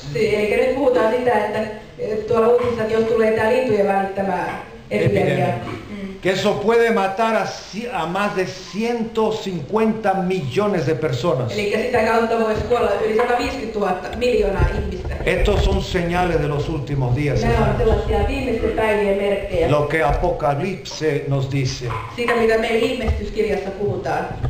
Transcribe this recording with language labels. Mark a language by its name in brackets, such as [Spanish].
[Spanish] Sí, que nos [Finnish] puhutaan sitä, että tuolla uutisissa, jos tulee tämä lintujen välittämä epidemia. [Spanish] Que eso puede matar a más de 150 millones de personas. [Finnish] Eli sitä kautta voisi kuolla yli 150,000 miljoonaa ihmistä. [Spanish] Estos son señales de los últimos días. [Finnish] Nämä ovat sellaisia viimeisten päivien merkkejä. [Spanish] Lo que Apocalipse nos dice. [Finnish] Siitä, mitä meillä ilmestyskirjassa puhutaan.